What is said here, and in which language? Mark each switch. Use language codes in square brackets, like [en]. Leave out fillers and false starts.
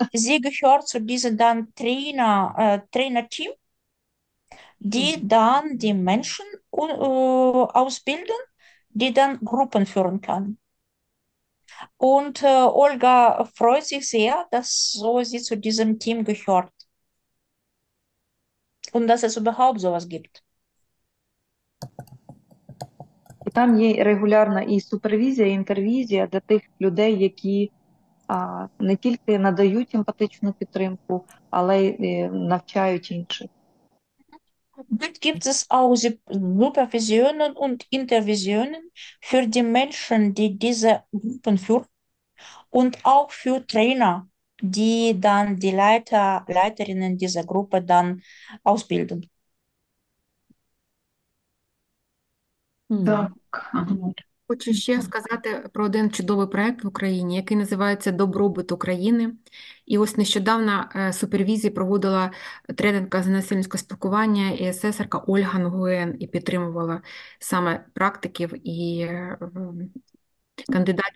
[de] Sie gehört zu diesem dann Trainer-Team, die dann die Menschen ausbilden, die dann Gruppen führen kann. Und Olga freut sich sehr, dass so sie zu diesem Team gehört. Und dass es überhaupt sowas gibt. [uk] Там є регулярна і супервізія, і інтервізія для тих людей, які не тільки надають емпатичну підтримку, але й навчають інших. [de] Dort gibt es auch Supervisionen und Intervisionen für die Menschen, die diese Gruppen führen und auch für Trainer, die dann die Leiterinnen dieser Gruppe dann ausbilden. [uk] Так. Хочу ще сказати про один чудовий проєкт в Україні, який називається «Добробут України». І ось нещодавно супервізії проводила тренерка з насильницького спілкування і асесорка Ольга Нгуен і підтримувала саме практиків і кандидатів.